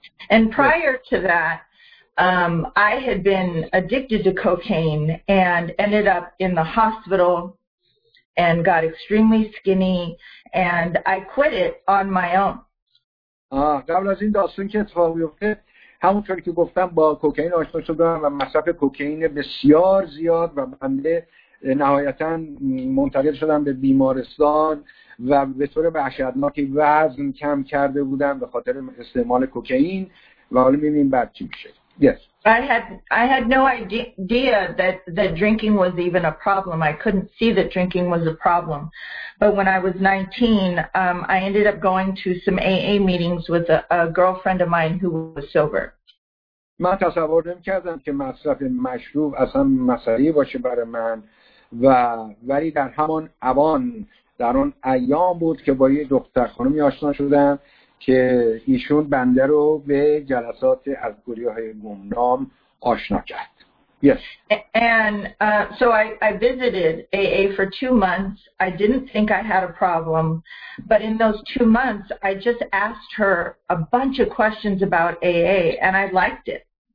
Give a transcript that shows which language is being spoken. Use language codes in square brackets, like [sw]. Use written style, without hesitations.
[en] And prior to that, I had been addicted to cocaine and ended up in the hospital and got extremely skinny and I quit it on my own. [fa] قبل از این داستان که اتفاق بیفته، همونطور که گفتم با کوکائین آشنا شدم و مصرف کوکائین بسیار زیاد و بنده نهایتاً منتقل شدم به بیمارستان و به طور وحشتناکی وزن کم کرده بودم به خاطر استعمال کوکائین و حالا می‌بینیم بعد چی میشه. [en] Yes. I had no idea that drinking was even a problem. I couldn't see that drinking was a problem. But when I was 19, I ended up going to some AA meetings with a girlfriend of mine who was sober. [fa] من تصور نمی‌کردم که مصرف مشروب اصلا مسئله‌ای باشه برای من و ولی در همان اوان در آن ایام بود که با یه دختر خانمی آشنا شدم که ایشون بنده رو به جلسات از گروه‌های گمنام آشنا کرد. [en] Yes. And so I visited AA for 2 months. I didn't think I had a problem, but in those 2 months I just asked her a bunch of questions about AA and I liked it.